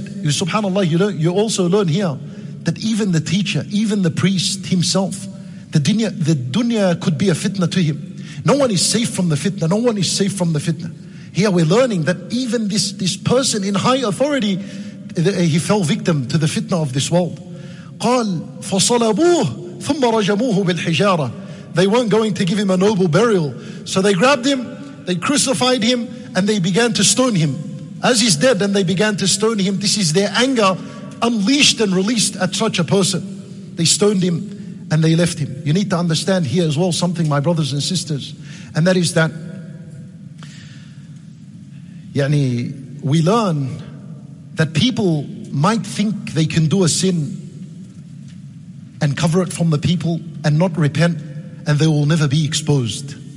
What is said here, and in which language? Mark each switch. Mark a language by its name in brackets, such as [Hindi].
[English] SubhanAllah, you also learn here that even the teacher, even the priest himself, the dunya could be a fitna to him. No one is safe from the fitna. No one is safe from the fitna. Here we're learning that even this person in high authority, he fell victim to the fitna of this world. [Arabic] قال فصلبوه ثم رجموه بالحجارة. [English] They weren't going to give him a noble burial. So they grabbed him, they crucified him, and they began to stone him. As he's dead, and they began to stone him, this is their anger unleashed and released at such a person. They stoned him and they left him. You need to understand here as well something, my brothers and sisters, and that is that yani, we learn that people might think they can do a sin and cover it from the people and not repent, and they will never be exposed.